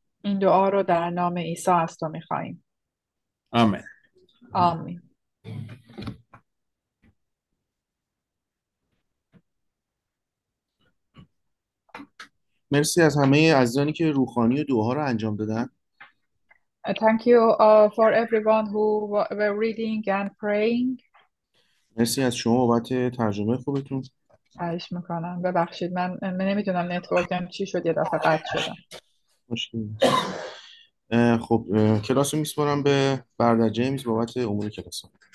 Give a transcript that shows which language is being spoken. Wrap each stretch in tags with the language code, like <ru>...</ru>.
<fa>این دعا رو در نام عیسی از تو میخواییم. آمین. آمین. مرسی از همه عزیزانی که روحانی و دعاها رو انجام دادن.</fa> <en>Thank you for everyone who were reading and praying.</en> <fa>مرسی از شما بابت ترجمه خوبتون. خواهش میکنم. ببخشید من نمیدونم نتورکم چی شد یه دفعه قطع شدم. خب کلاس رو میسپارم به برادر جیمز بابت امور کلاس.</fa>